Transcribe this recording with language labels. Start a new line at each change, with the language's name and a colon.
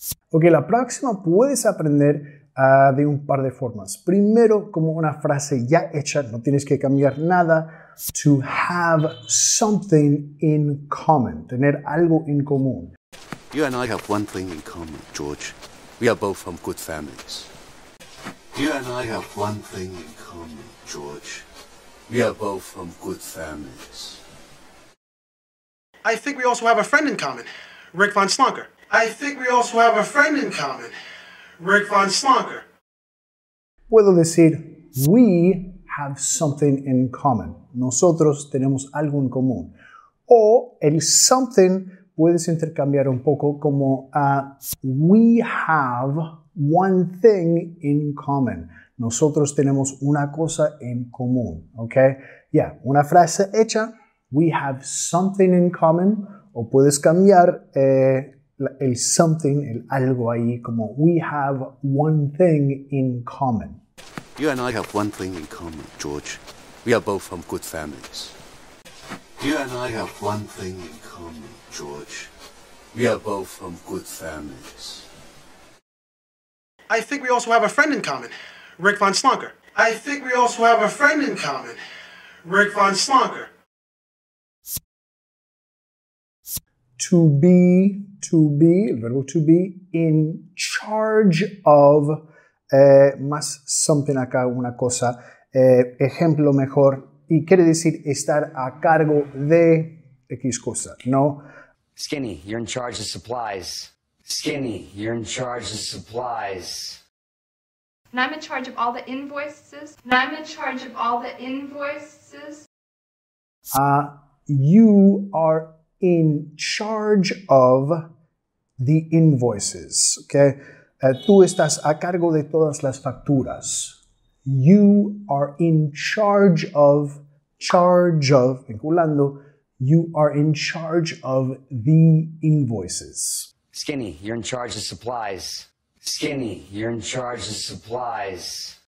Spanish: Ok, la próxima puedes aprender de un par de formas. Primero, como una frase ya hecha, no tienes que cambiar nada.
English: To have something in common,
Spanish: tener algo en común.
English: You and I have one thing in common, George. We are both from good families. You and I have one thing in common, George. We are both from good families. I think we also have a friend in common, Rick von Slonker. I think we also have a friend in common, Rick von Slonker. Puedo decir, we have something in common.
Spanish: Nosotros tenemos algo en común. O el something puedes intercambiar un poco como
English: we have one thing in common.
Spanish: Nosotros tenemos una cosa en común, ¿ok? Yeah, una frase hecha.
English: We have something in common.
Spanish: O puedes cambiar el something, el algo ahí, como
English: we have one thing in common. You and I have one thing in common, George. We are both from good families. You and I have one thing in common, George. We are both from good families. I think we also have a friend in common, Rick von Slonker. I think we also have a friend in common, Rick von Slonker. To be,
Spanish: el verbo
English: to be, in charge of, más something
Spanish: acá, una cosa. Ejemplo mejor. Y quiere decir estar a cargo de X cosa, ¿no?
English: Skinny, you're in charge of supplies. Skinny, you're in charge of supplies. And I'm in charge of all the invoices. And I'm in charge of all the invoices. You are in charge of the invoices, okay?
Spanish: Tú estás a cargo de todas las facturas.
English: You are in charge of, charge of, vinculando, you are in charge of the invoices. Skinny, you're in charge of supplies. Skinny, you're in charge of supplies.